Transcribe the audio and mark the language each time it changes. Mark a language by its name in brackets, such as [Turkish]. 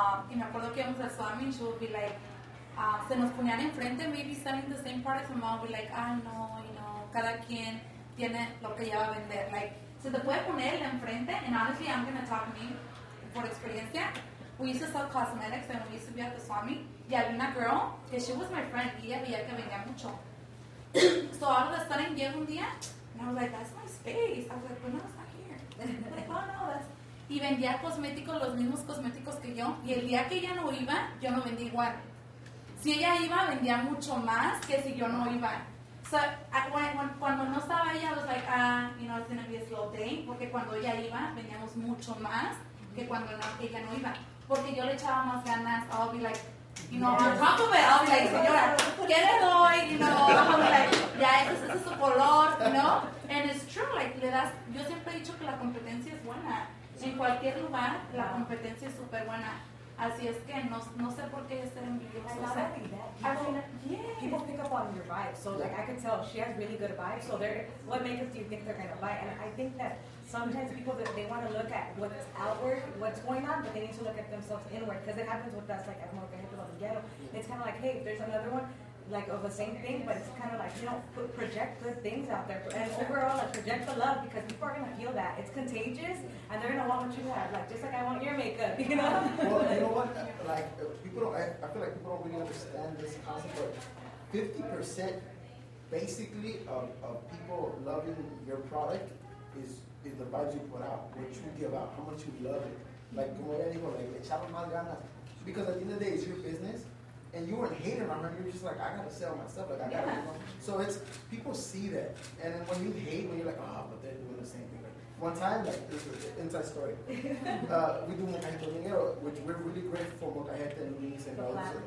[Spanish] Me acuerdo que íbamos a Swami, [English] she would be like, [Spanish] se nos ponían enfrente, [English] maybe selling the same products. My mom would be like, ah, no, you know, [Spanish] cada quien tiene lo que ya va a vender. [English] Like, [Spanish] se te puede poner enfrente, [English] and honestly, I'm going to talk to me [Spanish] por experiencia. [English] We used to sell cosmetics, and we used to be at the Swami. [Spanish] Y había una girl, que [English] she was my friend, [Spanish] y ella veía que vendía mucho. [English] So all of a sudden, [Spanish] llegó un día, [English] and I was like, that's my space. I was like, bueno, like, oh, no, that's... [Spanish] Y vendía cosméticos, los mismos cosméticos que yo. Y el día que ella no iba, yo no vendía igual. Si ella iba, vendía mucho más que si yo no iba. [English] So, [Spanish] cuando no estaba ella, [English] I was like, ah, you know, it's going to be a slow day. [Spanish] Porque cuando ella iba, vendíamos mucho más que cuando ella no iba. Porque yo le echaba más ganas. [English] I'll be like, you know, on top of it, I'll be like, [Spanish] señora, ¿qué le doy? [English] You know, I'll be like, ya, [Spanish] ese es su color, [English] you know? And it's true, like, [Spanish] le das, yo siempre he dicho que la competencia es buena. En cualquier lugar, la competencia es súper buena. Así es que no sé por qué ser envidioso. [English] I mean, yeah. People pick up on your vibe. So, like, I can tell she has really good vibe. So, what makers do you think they're going to buy? And I think that sometimes people, they want to look at what's outward, what's going on, but they need to look at themselves inward. Because it happens with us, like, at Molcajete Dominguero. It's kind of like, hey, if there's another one, like, of the same thing, but it's kind of like, you know, project good things out there. And overall, like, project the love, because people are going to feel that. It's contagious, and they're going to want what you have. Like, just like I want your makeup, you know? Well, you know what? Like, I feel like people don't really understand this concept. 50%, basically, of people loving your product is the vibes you put out, what you give out, how much you love it. [Spanish] Like, como ella dijo, like, echaba más ganas. [English] Because at the end of the day, it's your business. And you weren't hating on her. You were just like, I gotta sell my stuff. Like, I gotta. Yeah. So it's people see that. And then when you hate, when you're like, oh, but they're doing the same thing. Like, one time, like, this is an inside story. We do Molcajete Dominguero, which we're really grateful for Molcajete and Luis and all this.